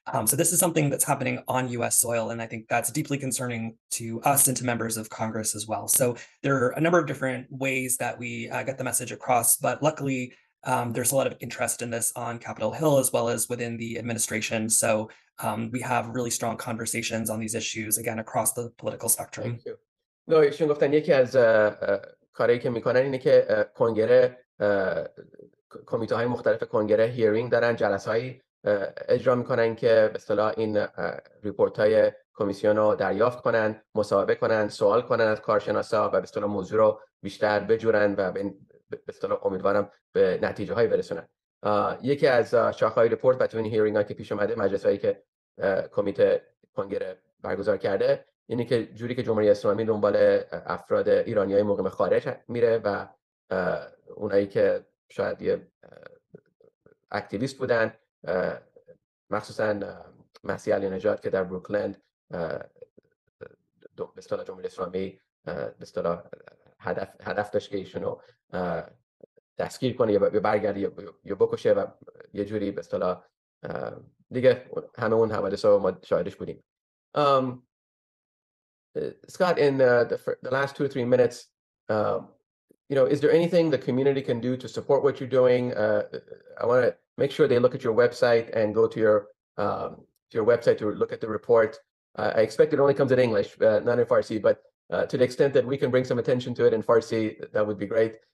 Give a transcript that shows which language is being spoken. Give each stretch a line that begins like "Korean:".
English: So this is something that's happening on U.S. soil, and I think that's deeply concerning to us and to members of Congress as well. So there are a number of different ways that we get the message across, but luckily, there's a lot of interest in this on Capitol Hill, as well as within the administration. So we have really strong conversations on these issues, again, across the political spectrum. Thank you. No,
Persian: ایشون گفتن یکی از کارهایی که میکنن اینه که کنگره، کمیته های مختلف کنگره هیرینگ دارن، جلسه های اجرا میکنن که به اصطلاح این ریپورت های کمیسیون رو دریافت کنن، مصاحبه کنن، سوال کنن از کارشناسا و به اصطلاح موضوع رو بیشتر بجورن و به اصطلاح امیدوارم به نتیجه های برسونن. یکی از شاخهای ریپورت و تو این هیرینگ ها که پیش اومده، مجلس هایی که کمیته کنگره برگزار کرده، اینه که جوری که جمهوری اسلامی دنبال افراد ایرانی های مقیم خارج میره و اونایی که شاید یه اکتیویست بودن، مخصوصا مسیح علی نجات که در بروکلند به اصطلاح جمهوری اسلامی به اصطلاح هدف داشت که ایشونو دستگیر کنه یا برگرده یا بکشه و یه جوری به اصطلاح دیگه همه اون حوادثا ما شاهدش بودیم.
English: Scott, in the last 2 or 3 minutes, you know, is there anything the community can do to support what you're doing? I want to make sure they look at your website and go to your website to look at the report. I expect it only comes in English, not in Farsi, but to the extent that we can bring some attention to it in Farsi, that would be great.